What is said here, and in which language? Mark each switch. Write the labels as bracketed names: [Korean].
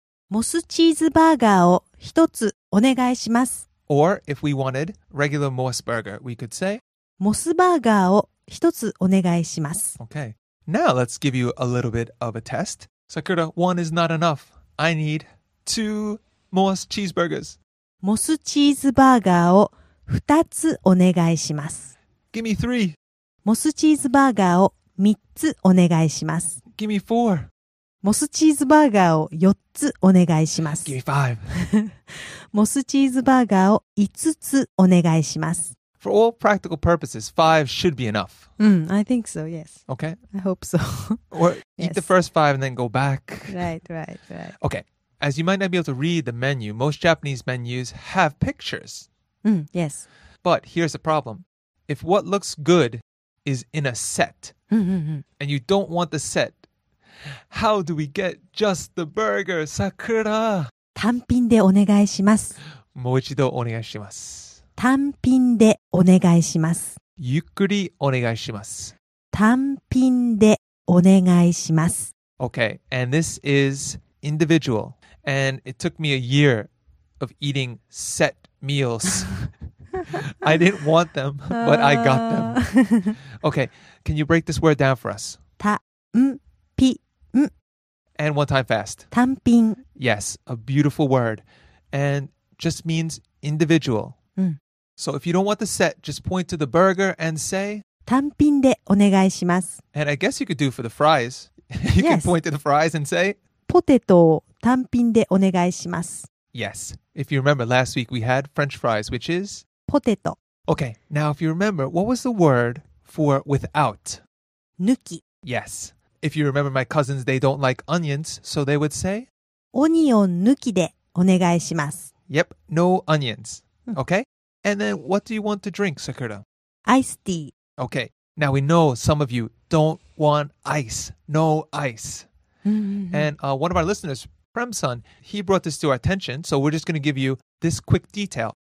[Japanese] モスチーズバーガーを一つお願いします。 [English] Or if we wanted regular Moss burger, we could say [Japanese] モスバーガーを一つお願いします。 [English] Okay. Now let's give you a little bit of a test. Sakura, one is not enough. I need two Moss cheeseburgers. モスチーズバーガーを二つお願いします。 Give me three. モスチーズバーガーを三つお願いします。 Give me four. モスチーズバーガーを4つお願いします。 Give me five. モスチーズバーガーを5つお願いします。 For all practical purposes, 5 should be enough. I think so, yes. Okay. I hope so. Or eat the first 5 and then go back. Right. Okay. As you might not be able to read the menu, most Japanese menus have pictures. Yes. But here's the problem. If what looks good is in a set, and you don't want the set,How do we get just the burger, Sakura? [Japanese] 単品でお願いします。もう一度お願いします。単品でお願いします。ゆっくりお願いします。単品でお願いします。 [English] Okay, and this is individual. And it took me a year of eating set meals. I didn't want them, but I got them. Okay, can you break this word down for us? [Japanese] 単品 [English] And one time fast. [Japanese] 単品 [English] Yes, a beautiful word. And just means individual. So if you don't want the set, just point to the burger and say [Japanese] 単品でお願いします [English] And I guess you could do for the fries. You can point to the fries and say [Japanese] ポテトを単品でお願いします [English] Yes. If you remember, last week we had French fries, which is? Potato. Okay. Now, if you remember, what was the word for without? [Japanese] 抜き. [English] Yes. If you remember, my cousins, they don't like onions, so they would say? [Japanese] オニオン抜きでお願いします. [English] Yep. No onions. Okay. And then, what do you want to drink, Sakura? Iced tea. Okay. Now, we know some of you don't want ice. No ice. And one of our listeners, Prem-san, he brought this to our attention, so we're just going to give you this quick detail.